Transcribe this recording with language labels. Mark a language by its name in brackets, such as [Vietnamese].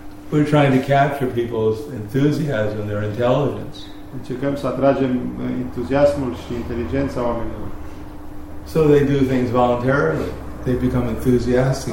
[English] We're trying to capture people's enthusiasm, their intelligence. [Romanian] Încercăm să atragem entuziasmul și inteligența oamenilor. [English] So they do things voluntarily. They become enthusiastic